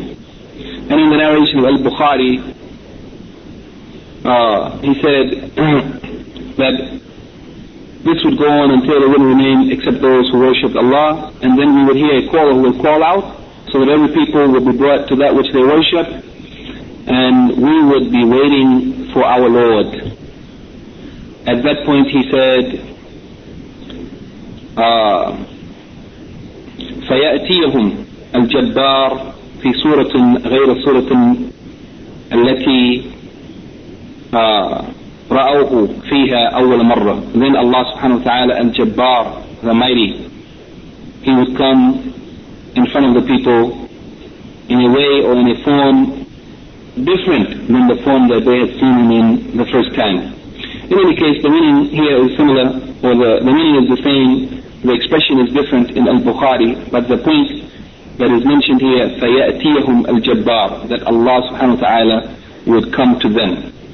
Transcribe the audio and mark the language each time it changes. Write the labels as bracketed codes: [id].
[en] And in the narration of Al-Bukhari, he said that this would go on until there wouldn't remain except those who worshipped Allah, and then we would hear a caller who would call out, so that every people would be brought to that which they worship, and we would be waiting for our Lord. At that point he said, [ar] فَيَأْتِيَهُمْ الْجَبَّارِ فِي سُورَةٍ غَيْرَ سُورَةٍ الَّتِي رَأَوْهُ فِيهَا أَوَّلَ مَرَّةٍ. [en] Then Allah subhanahu wa ta'ala, Al-Jabbar, the Mighty, He would come in front of the people in a way or in a form different than the form that they had seen Him in the first time. In any case, the meaning here is similar, or the meaning is the same, the expression is different in Al-Bukhari, but the point that is mentioned here, [ar] فَيَأْتِيَهُمْ الْجَبَّارِ, [en] that Allah subhanahu wa ta'ala would come to them.